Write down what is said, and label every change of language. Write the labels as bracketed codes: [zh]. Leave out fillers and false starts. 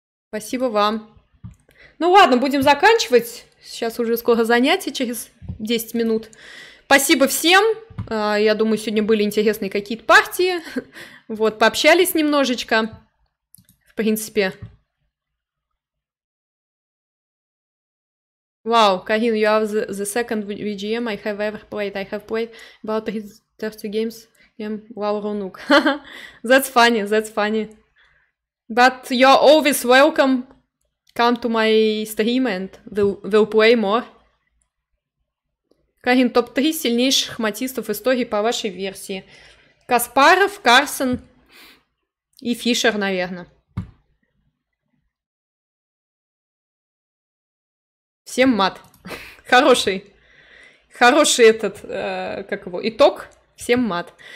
[ru] Спасибо вам. Ну ладно, будем заканчивать. Сейчас уже скоро занятие, через 10 минут. Спасибо всем. Я думаю, сегодня были интересные какие-то партии. Вот, пообщались немножечко. В принципе. [en] Вау, Карин, you are the second VGM I have ever played. I have played about 30 games. Вау, Рунук. That's funny, that's funny. But you're always welcome. Come to my stream and we'll play more. [ru] Карин, топ-3 сильнейших шахматистов в истории по вашей версии. Каспаров, Карсон и Фишер, наверное. Всем мат. Хороший. Хороший этот, как его, итог. Всем мат.